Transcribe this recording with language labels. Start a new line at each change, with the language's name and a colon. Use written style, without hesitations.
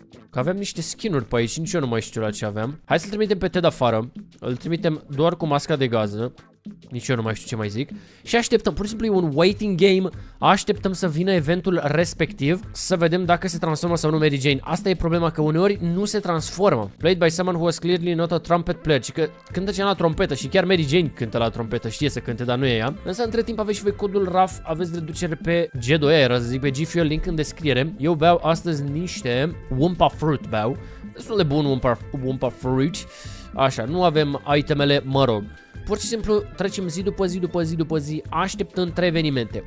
Romanian: Că aveam niște skin-uri pe aici, nici eu nu mai știu la ce aveam. Hai să-l trimitem pe Ted afară. Îl trimitem doar cu masca de gază. Nici eu nu mai știu ce mai zic. Și așteptăm, pur și simplu e un waiting game. Așteptăm să vină eventul respectiv, să vedem dacă se transformă sau nu Mary Jane. Asta e problema, că uneori nu se transformă.
English: Played by someone who was clearly not a trumpet player.
Romanian: Și că cântă cea la trompetă. Și chiar Mary Jane cântă la trompetă, știe să cânte, dar nu e ea. Însă între timp aveți și voi codul RAF. Aveți reducere pe G2R, să zic, pe G Fuel, link în descriere. Eu beau astăzi niște Wumpa Fruit beau. Destul de bun Wumpa Fruit. Așa, nu avem itemele, mă rog. Pur și simplu trecem zi după zi după zi după zi, așteptând trei evenimente.